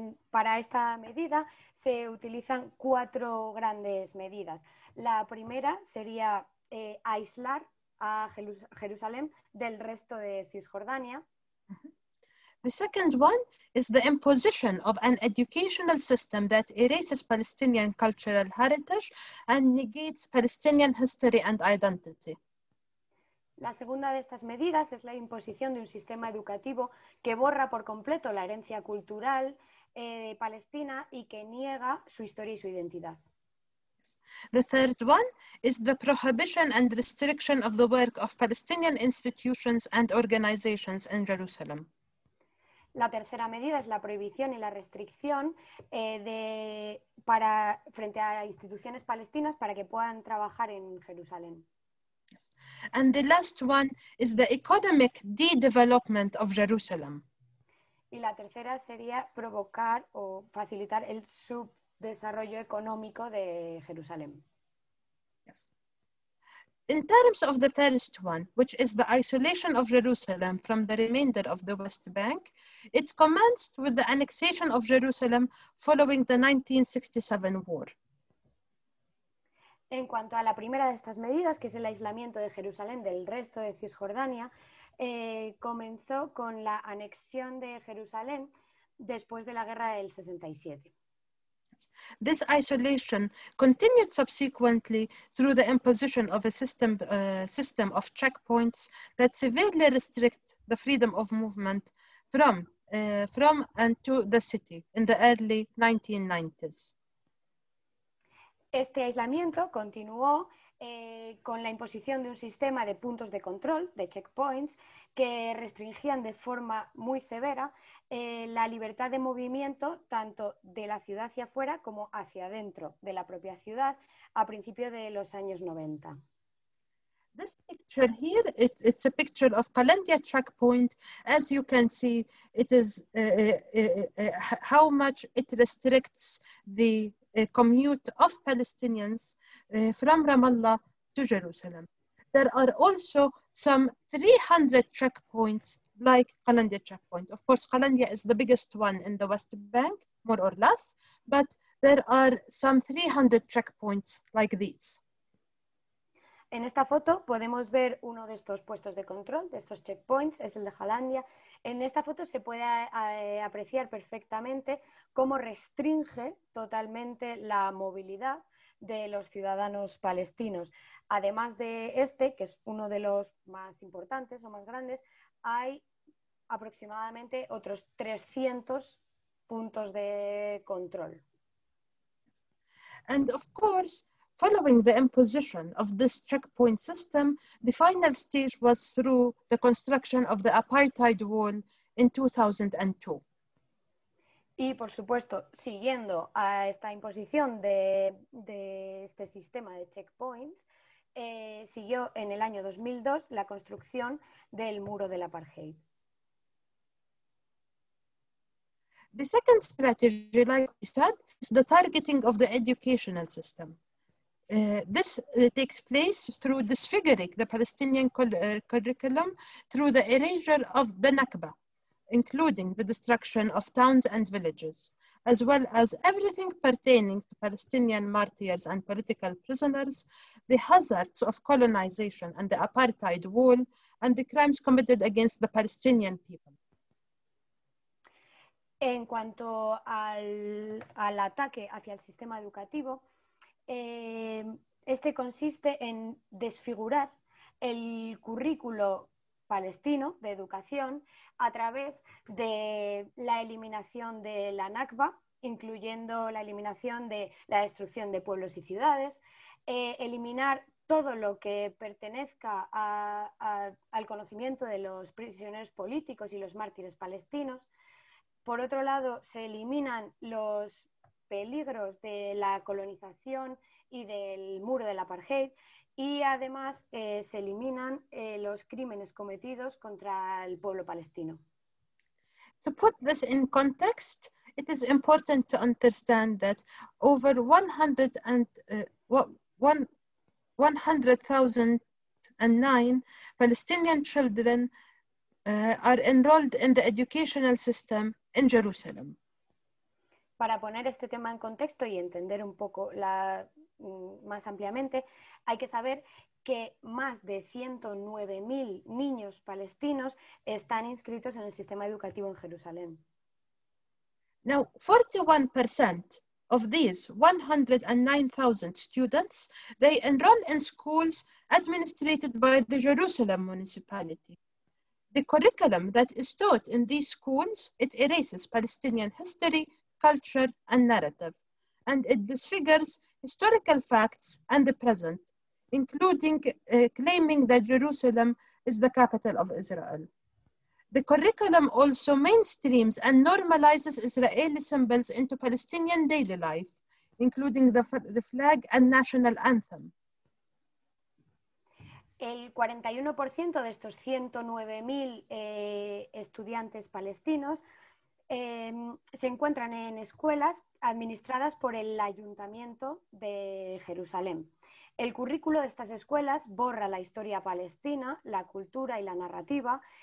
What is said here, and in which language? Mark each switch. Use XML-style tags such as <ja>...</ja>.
<es>Para esta medida se utilizan cuatro grandes medidas. La primera sería aislar a Jerusalén del resto de Cisjordania.</es> <en>The second one is the imposition of an educational system that erases Palestinian cultural heritage and negates Palestinian history and identity.</en> <es>La segunda de estas medidas es la imposición de un sistema educativo que borra por completo la herencia cultural palestina y que niega su historia y su identidad.</es> <en>The third one is the prohibition and restriction of the work of Palestinian institutions and organizations in Jerusalem.</en> <es>La tercera medida es la prohibición y la restricción frente a instituciones palestinas para que puedan trabajar en Jerusalén.</es> <en>Yes. And the last one is the economic de-development of Jerusalem.</en> <es>Y la tercera sería provocar o facilitar el subdesarrollo económico de Jerusalén.</es> <en>Yes. In terms of the first one, which is the isolation of Jerusalem from the remainder of the West Bank, it commenced with the annexation of Jerusalem following the 1967 war.</en> <es>En cuanto a la primera de estas medidas, que es el aislamiento de Jerusalén del resto de Cisjordania, comenzó con la anexión de Jerusalén después de la guerra del 67.</es> <en>This isolation continued subsequently through the imposition of a system of checkpoints that severely restrict the freedom of movement from and to the city in the early 1990s.</en> <es>Este aislamiento continuó con la imposición de un sistema de puntos de control, de checkpoints, que restringían de forma muy severa la libertad de movimiento tanto de la ciudad hacia afuera como hacia adentro de la propia ciudad a principios de los años 90.</es> <en>This picture here, it's a picture of Palantir track point. As you can see, it is how much it restricts the commute of Palestinians from Ramallah to Jerusalem. There are also some 300 checkpoints like Qalandia checkpoint. Of course, Qalandia is the biggest one in the West Bank, more or less, but there are some 300 checkpoints like these.</en> <es>En esta foto podemos ver uno de estos puestos de control, de estos checkpoints, es el de Jalandia. En esta foto se puede apreciar perfectamente cómo restringe totalmente la movilidad de los ciudadanos palestinos. Además de este, que es uno de los más importantes o más grandes, hay aproximadamente otros 300 puntos de control.</es> <en>And of course, following the imposition of this checkpoint system, the final stage was through the construction of the apartheid wall in 2002.</en> <es>Y por supuesto, siguiendo a esta imposición de este sistema de checkpoints, siguió en el año 2002 la construcción del muro del apartheid.</es> <en>The second strategy, like we said, is the targeting of the educational system. This takes place through disfiguring the Palestinian curriculum through the erasure of the Nakba, including the destruction of towns and villages, as well as everything pertaining to Palestinian martyrs and political prisoners, the hazards of colonization and the apartheid wall, and the crimes committed against the Palestinian people.</en> <es>En cuanto al ataque hacia el sistema educativo, este consiste en desfigurar el currículo palestino de educación a través de la eliminación de la Nakba, incluyendo la eliminación de la destrucción de pueblos y ciudades, eliminar todo lo que pertenezca al conocimiento de los prisioneros políticos y los mártires palestinos. Por otro lado, se eliminan los peligros de la colonización y del muro del apartheid, y además se eliminan los crímenes cometidos contra el pueblo palestino.</es> <en>To put this in context, it is important to understand that over 100,009 Palestinian children are enrolled in the educational system in Jerusalem.</en> <es>Para poner este tema en contexto y entender un poco más ampliamente, hay que saber que más de 109.000 niños palestinos están inscritos en el sistema educativo en Jerusalén.</es> <en>Now, 41% of these 109,000 students, they enroll in schools administered by the Jerusalem municipality. The curriculum that is taught in these schools, it erases Palestinian history, culture and narrative, and it disfigures historical facts and the present, including claiming that Jerusalem is the capital of Israel. The curriculum also mainstreams and normalizes Israeli symbols into Palestinian daily life, including the flag and national anthem.</en> <es>El 41% de estos 109.000 estudiantes palestinos se encuentran en escuelas administradas por el Ayuntamiento de Jerusalén. El currículo de estas escuelas borra la historia palestina, la cultura y la narrativa.</es>